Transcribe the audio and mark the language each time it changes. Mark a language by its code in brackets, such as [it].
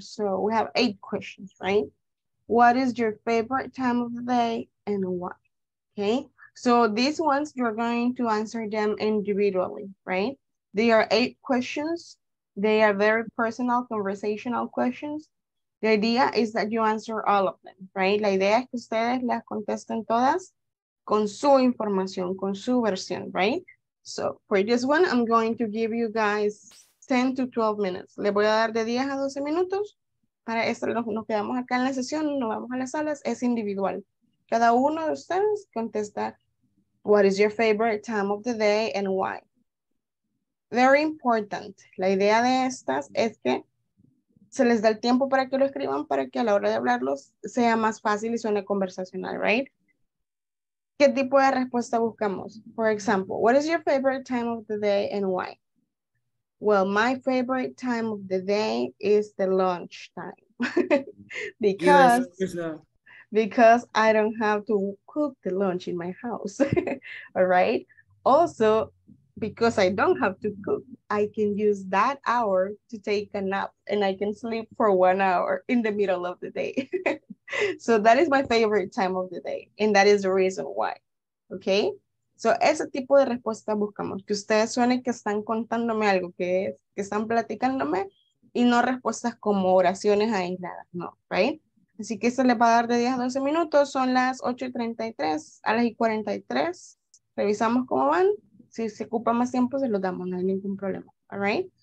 [en] So we have 8 questions, right? What is your favorite time of the day and why? Okay, so these ones, you're going to answer them individually, right? They are 8 questions. They are very personal, conversational questions. The idea is that you answer all of them, right? [es] La idea es que ustedes las contesten todas con su información, con su versión, right? [en] So for this one, I'm going to give you guys 10 to 12 minutes. [es] Le voy a dar de 10 a 12 minutos. Para esto nos quedamos acá en la sesión, no vamos a las salas, es individual. Cada uno de ustedes contesta, [en] what is your favorite time of the day and why? Very important. [es] La idea de estas es que se les da el tiempo para que lo escriban, para que a la hora de hablarlos sea más fácil y suene conversacional, right? ¿Qué tipo de respuesta buscamos? [en] For example, what is your favorite time of the day and why? Well, my favorite time of the day is the lunch time. because I don't have to cook the lunch in my house. All right. Also, because I don't have to cook, I can use that hour to take a nap and I can sleep for 1 hour in the middle of the day. So that is my favorite time of the day. And that is the reason why. Okay? So [es] ese tipo de respuesta buscamos. Que ustedes suenen que están contándome algo, que están platicándome, y no respuestas como oraciones aisladas. No, right? Así que se le va a dar de 10 a 12 minutos. Son las 8:33. A las 8:43. Revisamos cómo van. Si se ocupa más tiempo, se los damos. No hay ningún problema. All right?